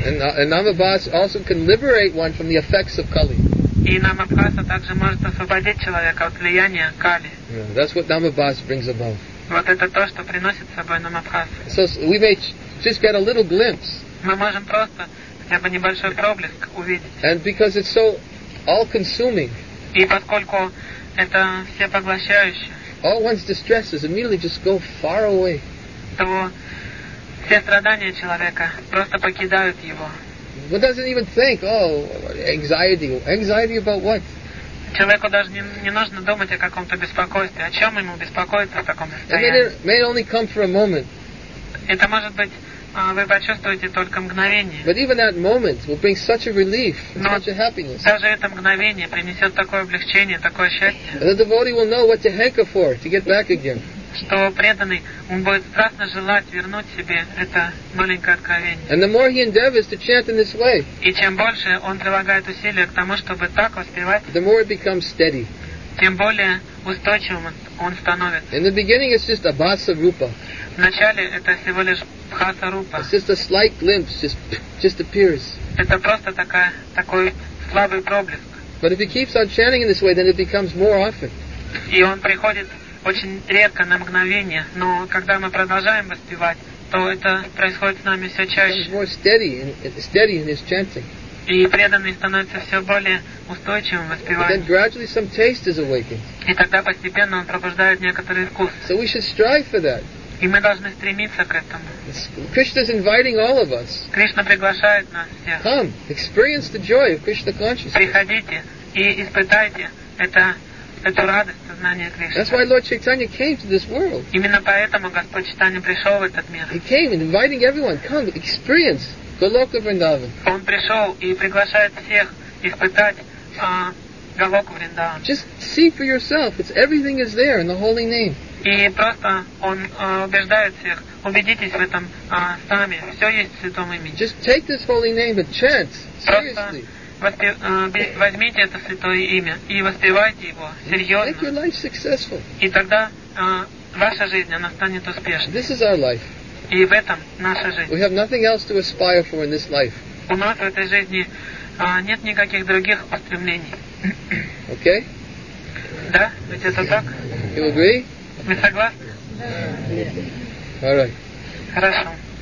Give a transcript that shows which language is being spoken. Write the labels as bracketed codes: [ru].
[en] And Nama Bhavas also can liberate one from the effects of Kali. [ru] И Нама Бхаса также может освободить человека от влияния Кали. [en] Yeah, that's what Nama Bhavas brings above. [ru] Вот это то, что приносит с собой Нама Бхаса. [en] So we may just get a little glimpse. [ru] Мы можем просто хотя бы небольшой проблеск увидеть. [en] And because it's so all-consuming. [ru] И поскольку это все поглощающее. [en] All one's distresses immediately just go far away. [ru] То все страдания человека просто покидают его. [en] One doesn't even think, anxiety. Anxiety about what? [ru] Человеку даже не нужно думать о каком-то беспокойстве. О чем ему беспокоиться в таком состоянии? [en] And it may only come for a moment. [ru] Это может быть, вы почувствуете только мгновение. [en] But even that moment will bring such a relief and [ru] Но [en] such a happiness. [ru] Даже это мгновение принесет такое облегчение, такое счастье. [en] And the devotee will know what to hanker for to get back again. [ru] Что преданный, он будет страстно желать вернуть себе это маленькое откровение. [en] And the more he endeavors to chant in this way, [ru] и чем больше он прилагает усилия к тому, чтобы так воспевать, [en] the more it becomes steady. [ru] Тем более устойчивым он становится. [en] In the beginning it's just a bhasa rupa. [ru] Вначале это всего лишь бхаса рупа. [en] It's just a slight glimpse, just appears. [ru] Это просто такой слабый проблеск. [en] But if he keeps on chanting in this way, then it becomes more often. [ru] И он приходит очень редко на мгновение, но когда мы продолжаем воспевать, то это происходит с нами все чаще. [en] He's more steady in his chanting. [ru] И преданный становится все более устойчивым в воспевании. [en] But then gradually some taste is awakened. [ru] И тогда постепенно он пробуждает некоторый вкус. [en] So we should strive for that. [ru] И мы должны стремиться к этому. [en] Krishna is inviting all of us. [ru] Кришна приглашает нас всех. [en] Come, experience the joy of Krishna consciousness. [ru] Приходите и испытайте эту радость сознания Кришны. [en] That's why Lord Chaitanya came to this world. [ru] Именно поэтому Господь Чайтанья пришел в этот мир. [en] He came inviting everyone. Come, experience Goloka Vrindavan. [ru] Он пришел и приглашает всех испытать Голоку Вриндаван. [en] Just see for yourself. It's everything is there in the holy name. [ru] И просто он убеждает всех. Убедитесь в этом сами. Все есть в святом имени. [en] Just take this holy name and chant seriously. [ru] Возьмите это святое имя и воспевайте его серьезно. [en] Make your life successful. [ru] И тогда ваша жизнь она станет успешной. [en] This is our life. [ru] И в этом наша жизнь. [en] We have nothing else to aspire for in this life. [ru] У нас в этой жизни нет никаких других устремлений. [en] Okay? [ru] Да, ведь это так. [en] You agree? [ru] Вы согласны? Да. [en] All right. [ru] Хорошо.